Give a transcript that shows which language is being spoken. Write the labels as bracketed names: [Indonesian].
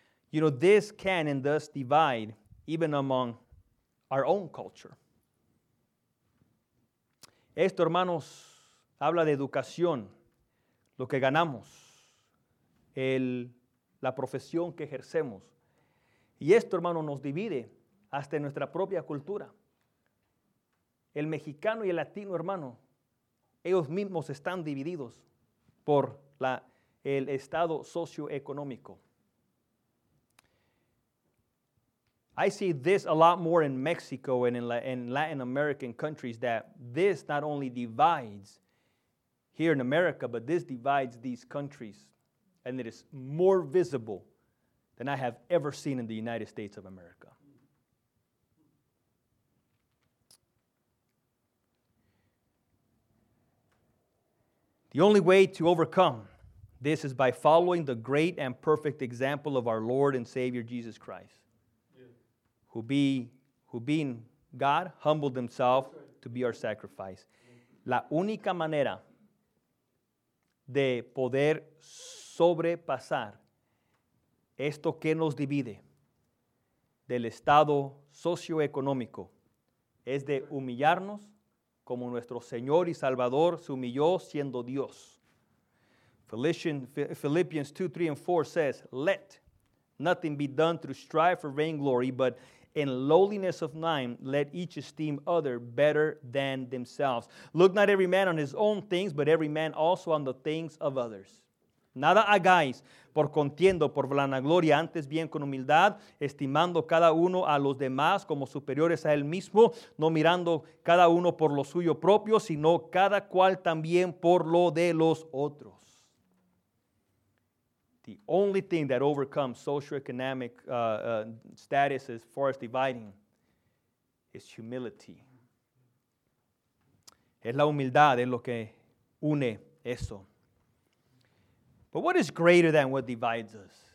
[English] You know, this can and does divide even among our own culture. [Spanish] Esto, hermanos, habla de educación, lo que ganamos, la profesión que ejercemos. Y esto, hermano, nos divide hasta en nuestra propia cultura. El mexicano y el latino, hermano, ellos mismos están divididos por el estado socioeconómico. [English] I see this a lot more in Mexico and in Latin American countries, that this not only divides here in America, but this divides these countries. And it is more visible than I have ever seen in the United States of America. The only way to overcome this is by following the great and perfect example of our Lord and Savior Jesus Christ. Who being God, humbled himself to be our sacrifice. [Spanish] La única manera de poder sobrepasar esto que nos divide del estado socioeconómico es de humillarnos como nuestro Señor y Salvador se humilló siendo Dios. [English] Philippians 2, 3, and 4 says, let nothing be done through strife or vainglory, but in lowliness of mind, let each esteem other better than themselves. Look not every man on his own things, but every man also on the things of others. [Spanish] Nada hagáis por contiendo, por vanagloria, antes bien con humildad, estimando cada uno a los demás como superiores a él mismo, no mirando cada uno por lo suyo propio, sino cada cual también por lo de los otros. [English] The only thing that overcomes socioeconomic status as far as dividing is humility. [Spanish] Es la humildad, es lo que une eso. [English] But what is greater than what divides us?